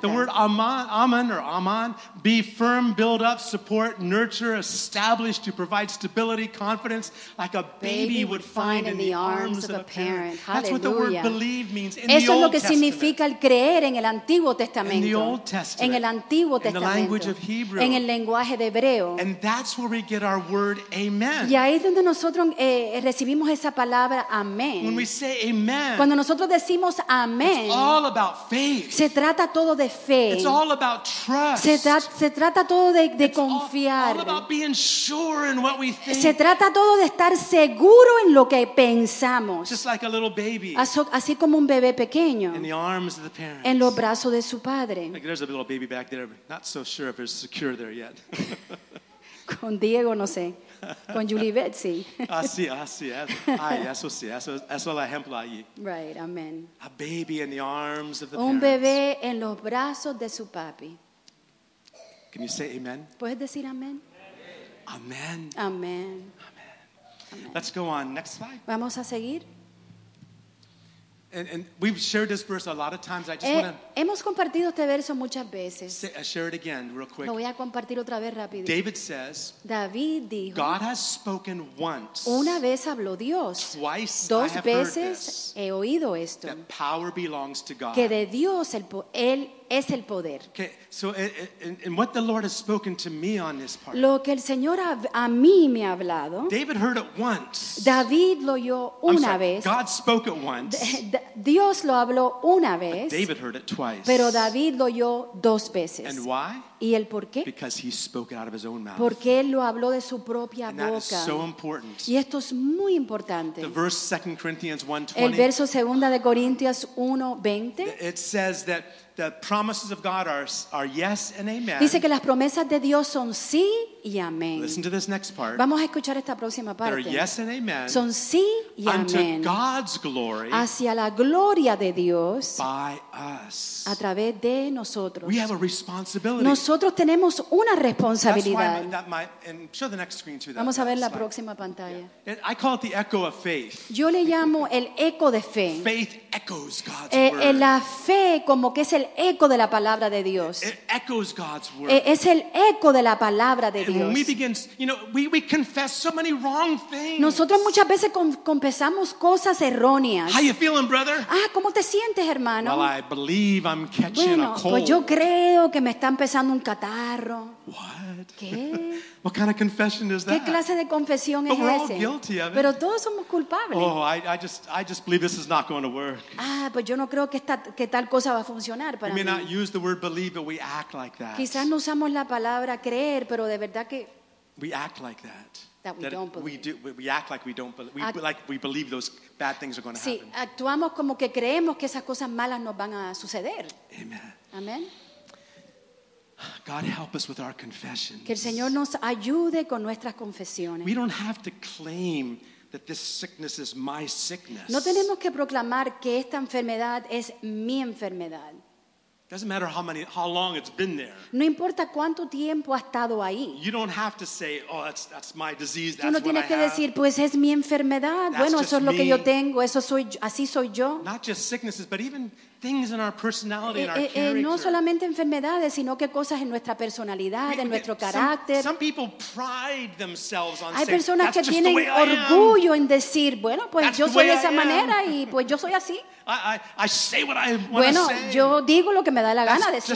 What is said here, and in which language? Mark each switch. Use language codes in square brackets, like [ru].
[en] The word aman or aman, be firm, build up, support, nurture, establish to provide stability, confidence, like a baby would find in the arms of a parent. That's what the word believe means in the Old Testament. [es] Eso es lo que significa el creer. En el Antiguo Testamento, [en] in the Old Testament, [es] en el Antiguo Testamento, [en] in the language of Hebrew, [es] en el lenguaje de Hebreo. [en] And that's where we get our word, amen. [es] Y ahí es donde nosotros recibimos esa palabra amén. [en] When we say amen, [es] cuando nosotros decimos amén, [en] it's all about faith. [es] Se trata todo de fe. [en] It's all about trust. [es] Se trata todo de confiar. [en] All about being sure in what we think. [es] Se trata todo de estar seguro en lo que pensamos. [en] Just like a little baby. [es] Así como un bebé pequeño. [en] In the arms of the parents. [es] En los brazos de su padre. [en] Like there's a little baby back there, but not so sure if it's secure there yet. [es] Con Diego, no sé. Con Julie Betsy. Ah, sí. Ay, eso sí. Eso es el ejemplo allí. [en] Right, amen. A baby in the arms of the [es] un [en] parents. [es] Un bebé en los brazos de su papi. [en] Can you say amen? [es] ¿Puedes decir amen? Amen. Amen. [en] Amen. Let's go on. Next slide. [es] Vamos a seguir. [en] And we've shared this verse a lot of times. I just [es] hemos compartido este verso muchas veces. [en] Share it again, real quick. [es] Lo voy a compartir otra vez rápido. [en] David says. [es] David dijo. [en] God has spoken once. [es] Una vez habló Dios. [en] Twice. [es] Dos [en] I have [es] veces [en] heard this, [es] he oído esto. [en] That power belongs to God. [es] Que de Dios él es el poder. [en] Okay, so and what the Lord has spoken to me on this part. [es] Lo que el Señor a mí me ha hablado. [en] David heard it once. [es] David lo oyó una vez. [en] God spoke it once. [es] Dios lo habló una vez. [en] But David heard it twice. [es] Pero David lo oyó dos veces. [en] And why? [es] ¿Y el por qué? [en] Because he spoke it out of his own mouth. [es] Porque él lo habló de su propia [en] and [es] boca. [en] That is so important. [es] Y esto es muy importante. [en] The verse 2 Corinthians 1:20. [es] El verso 2 Corintios 1:20. [en] It says that the promises of God are yes and amen. [es] Dice que las promesas de Dios son sí y amén. [en] Listen to this next part. [es] Vamos a escuchar esta próxima parte. [en] They're yes and amen. [es] Son sí y amén. [en] Unto God's glory. [es] Hacia la gloria de Dios. [en] By us. [es] A través de nosotros. [en] We have a responsibility. [es] Nosotros tenemos una responsabilidad. [en] Show the next screen to that. [es] Vamos a ver la próxima pantalla. [en] Yeah. I call it the echo of faith. [es] Yo le llamo el eco de fe. [en] Faith echoes God's word. [es] La fe como que es el eco de la palabra de Dios. [en] It echoes God's word. [es] Es el eco de la palabra de Dios. [en] And when we begin, you know, we confess so many wrong things. [es] Nosotros muchas veces confesamos cosas erróneas. [en] How you feeling, brother? [es] Ah, ¿cómo te sientes, hermano? [en] Well, I believe I'm catching [es] bueno, [en] a cold. [es] Pues yo creo que me está empezando un catarro. [en] What? [es] ¿Qué? [en] What kind of confession is that? [es] ¿Qué clase de confesión [en] but [es] es [en] we're [es] ese? [en] All guilty of it. [es] Pero todos somos culpables. [en] Oh, I just believe this is not going to work. [es] Ah, pues yo no creo que que tal cosa va a funcionar para [en] we may [es] mí. [en] Not use the word believe, but we act like that. [es] Quizás no usamos la palabra creer, pero de verdad que [en] we act like that. That we don't believe. We act like we don't believe. We believe those bad things are going to [es] sí, [en] happen. [es] Sí, actuamos como que creemos que esas cosas malas nos van a suceder. Amen. Amen. [en] God help us with our confessions. [es] Que el Señor nos ayude con nuestras confesiones. [en] We don't have to claim that this sickness is my sickness. [es] No tenemos que proclamar que esta enfermedad es mi enfermedad. [en] Doesn't matter how long it's been there. [es] No importa cuánto tiempo ha estado ahí. [en] You don't have to say, oh, that's my disease. That's what I have. [es] tienes que decir, pues es mi enfermedad. [en] That's [es] bueno, [en] just [es] eso es lo [en] me. [es] Que yo tengo. Eso soy, así soy yo. [en] Not just sicknesses, but even things in our personality and our character. [es] No solamente enfermedades, sino que cosas en nuestra personalidad, en nuestro carácter. [en] Some people pride themselves on saying, [es] hay personas que tienen orgullo en decir, bueno, pues yo soy de esa manera y pues yo soy así. [en] I say what I want to say. [es] Bueno, yo digo lo que me da la gana decir.